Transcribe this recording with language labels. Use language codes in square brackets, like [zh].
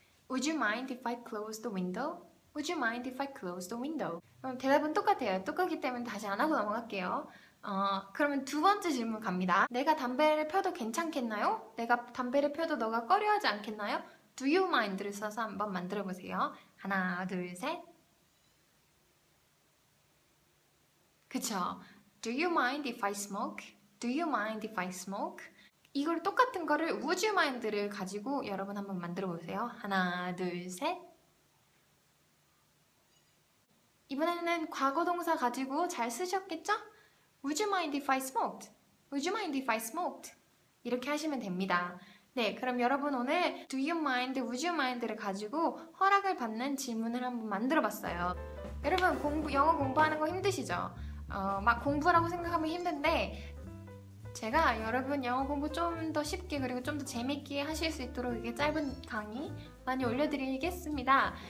[en] Would you mind if I closed the window? Would you mind if I closed the window? [ko] 그럼 대답은 똑같아요. 똑같기 때문에 다시 안 하고 넘어갈게요. 그러면 두 번째 질문 갑니다. 내가 담배를 펴도 괜찮겠나요? 내가 담배를 펴도 너가 꺼려하지 않겠나요? Do you mind를 써서 한번 만들어 보세요. 하나, 둘, 셋. 그쵸? [en] Do you mind if I smoke? Do you mind if I smoke? [ko] 이걸 똑같은 거를 Would you mind를 가지고 여러분 한번 만들어 보세요. 하나, 둘, 셋. 이번에는 과거 동사 가지고 잘 쓰셨겠죠? [en] Would you mind if I smoked? Would you mind if I smoked? [ko] 이렇게 하시면 됩니다. 네, 그럼 여러분 오늘 Do you mind, Would you mind를 가지고 허락을 받는 질문을 한번 만들어 봤어요. 여러분 영어 공부하는 거 힘드시죠? 막 공부라고 생각하면 힘든데 제가 여러분 영어 공부 좀 더 쉽게 그리고 좀 더 재밌게 하실 수 있도록 이게 짧은 강의 많이 올려드리겠습니다.